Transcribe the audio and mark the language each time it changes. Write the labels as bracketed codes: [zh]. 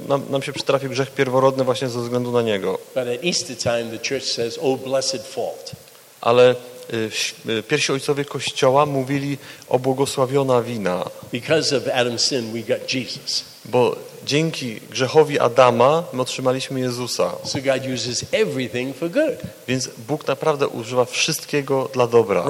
[pl] Nam się przytrafił grzech pierworodny właśnie ze względu na niego. [en] But at Easter time the church says, "Oh, blessed fault." [pl] Ale pierwsi ojcowie Kościoła mówili o błogosławiona wina. [en] Because of Adam's sin, we got Jesus. [pl] Bo dzięki grzechowi Adama my otrzymaliśmy Jezusa. [en] So God uses everything for good. [pl] Więc Bóg naprawdę używa wszystkiego dla dobra.